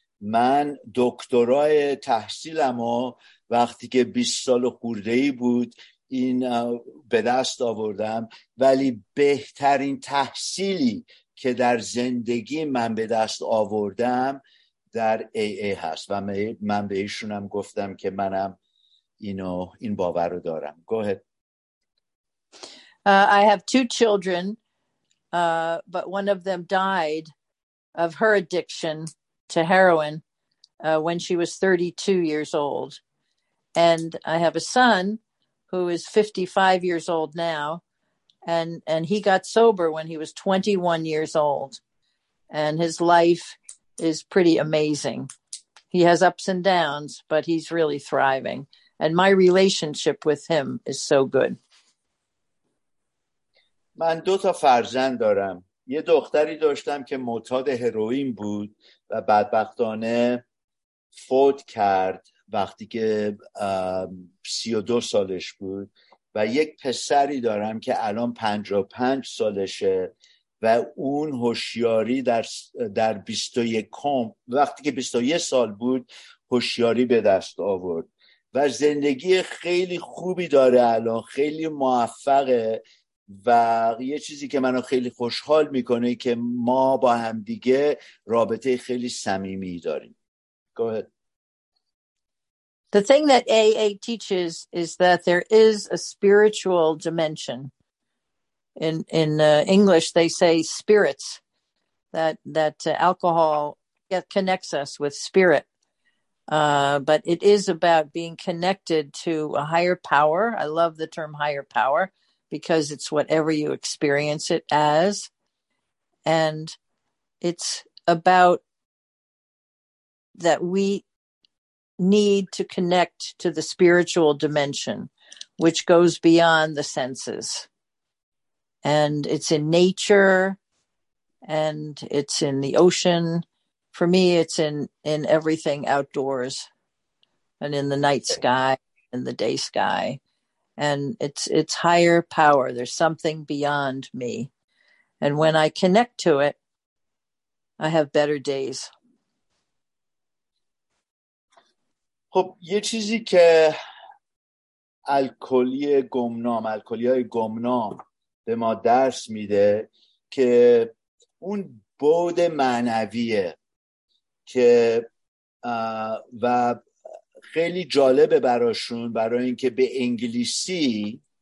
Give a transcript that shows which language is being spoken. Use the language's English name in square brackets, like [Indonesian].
[Persian] من دکترای تحصیلمو وقتی که 20 سال خورده‌ای بود این به دست آوردم، ولی بهترین تحصیلی که در زندگی من به دست آوردم در AA هست و من به ایشونم گفتم که منم این باور رو دارم. [English] Go ahead. I have two children. But one of them died of her addiction to heroin when she was 32 years old. And I have a son who is 55 years old now, And he got sober when he was 21 years old. And his life is pretty amazing. He has ups and downs, but he's really thriving. And my relationship with him is so good. [Persian] من دو تا فرزند دارم. یه دختری داشتم که معتاد هروئین بود و بدبختانه فوت کرد وقتی که 32 سالش بود. و یک پسری دارم که الان 55 سالشه و اون هوشیاری در 21 وقتی که 21 سال بود هوشیاری به دست آورد و زندگی خیلی خوبی داره الان، خیلی موفقه. و یه چیزی که منو خیلی خوشحال میکنه که ما با همدیگه رابطه خیلی صمیمی داریم. [English] Go ahead. The thing that AA teaches is that there is a spiritual dimension. In English, they say spirits, that alcohol connects us with spirit. But it is about being connected to a higher power. I love the term higher power because it's whatever you experience it as. And it's about that we need to connect to the spiritual dimension, which goes beyond the senses. And it's in nature, and it's in the ocean. For me, it's in everything outdoors, and in the night sky, and the day sky. And it's higher power. There's something beyond me. And when I connect to it, I have better days. [Persian] خب یه چیزی که الکلی‌های گمنام به ما درس میده که اون بُعد معنویه که و خیلی جالبه براشون، برای اینکه به انگلیسی